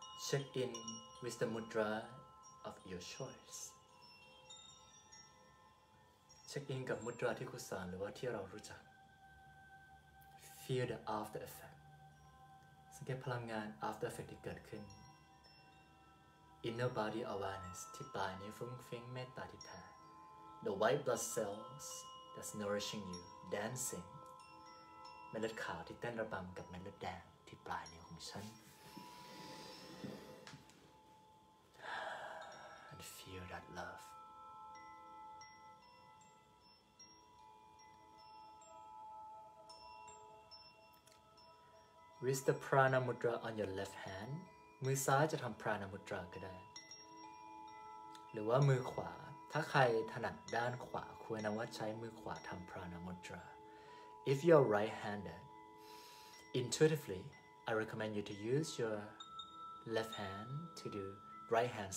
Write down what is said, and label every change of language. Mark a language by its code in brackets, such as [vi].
[en] Check in with the mudra of your choice. Check in [th] กับมุดราที่คุณสอนหรือว่าที่เรารู้จัก [en] Feel the after effect. [th] สังเกตพลังงาน [en] after effect [th] ที่เกิดขึ้น [en] Inner body awareness [th] ที่ปลายนิ้วฟุ้งฟิ้งเมตตาที่แท้ [en] The white blood cells that's nourishing you dancing. [th] เม็ดเลือดขาวที่เต้นระบำกับเม็ดเลือดแดงที่ปลายนิ้วของฉัน [en] Feel that love. With the prana mudra on your left hand, [th] มือซ้ายจะทำ prana mudra ก็ได้หรือว่ามือขวาถ้าใครถนัดด้านขวาควรนำว่าใช้มือขวาทำ prana mudra. [en] If you're right-handed, intuitively, I recommend you to use your left hand to do right hand.